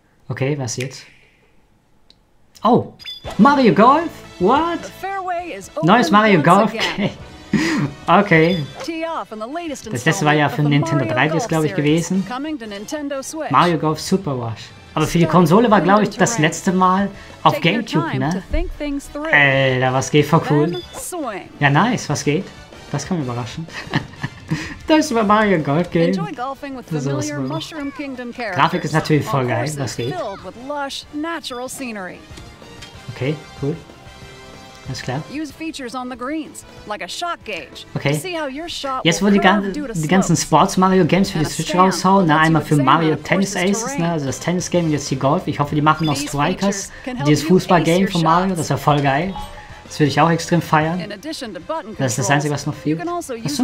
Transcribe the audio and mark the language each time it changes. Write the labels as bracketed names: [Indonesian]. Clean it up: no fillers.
[German] Okay, was jetzt? Oh! Mario Golf? [English] What? [German] Neues Mario Golf? Okay. Okay. Das letzte war ja für Nintendo 3DS, glaube ich, gewesen. Mario Golf Super Rush. Aber für die Konsole war, glaube ich, das letzte Mal auf GameCube, ne? Alter, was geht, voll cool. Ja, nice, was geht? Das kann mich überraschen. Das ist über Mario Golf Game. So was Grafik ist natürlich voll geil, was geht? Okay, cool. Alles klar. [English] Use features on the greens, like a shot gauge. [German] Okay. Jetzt wo die ganzen Sports Mario Games für die Switch raushauen, na einmal für Mario Tennis Aces, ne, also das Tennis Game, jetzt die Golf. Ich hoffe, die machen noch Strikers. Dieses Fußball Game von Mario, das wäre voll geil. Das würde ich auch extrem feiern. Das ist das Einzige, was noch fehlt. Achso.